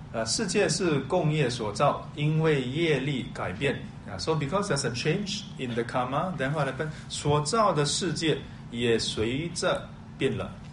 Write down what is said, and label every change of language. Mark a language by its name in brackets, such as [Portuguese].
[Chinese] 世界是共业所造，因为业力改变。 [English] So because there's a change in the karma, then what happened? [Chinese] 所造的世界也随着变了。